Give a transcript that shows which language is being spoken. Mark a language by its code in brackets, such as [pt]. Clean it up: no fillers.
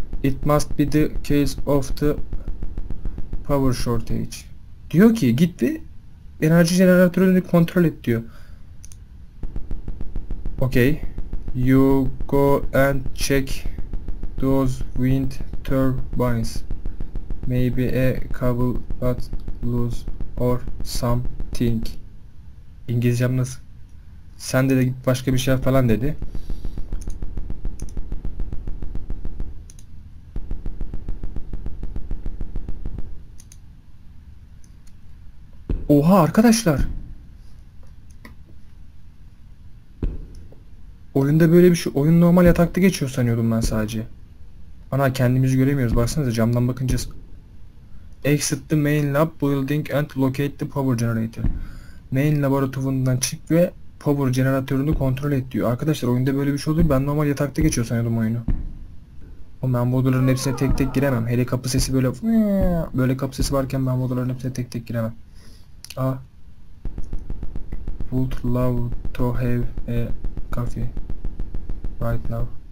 [en] It must be the case of the power shortage. [tr] Diyor ki git ve enerji jeneratörünü kontrol et diyor. [en] Okay. You go and check those wind turbines. Maybe a cable got loose or something. [tr] İngilizcem nasıl? Sen de git başka bir şey falan dedi. Oha arkadaşlar. Oyunda böyle bir şey. Oyun normal yatakta geçiyor sanıyordum ben sadece. Ana kendimizi göremiyoruz. Baksanıza camdan bakınca. [en] Exit the main lab building and locate the power generator. [tr] Main laboratuvarından çık ve power jeneratörünü kontrol et diyor. Arkadaşlar oyunda böyle bir şey oluyor. Ben normal yatakta geçiyor sanıyordum oyunu. O ben modların hepsine tek tek giremem. Hele kapı sesi böyle kapı sesi varken ben modların hepsine tek tek giremem. [en] A would love to have a coffee right now.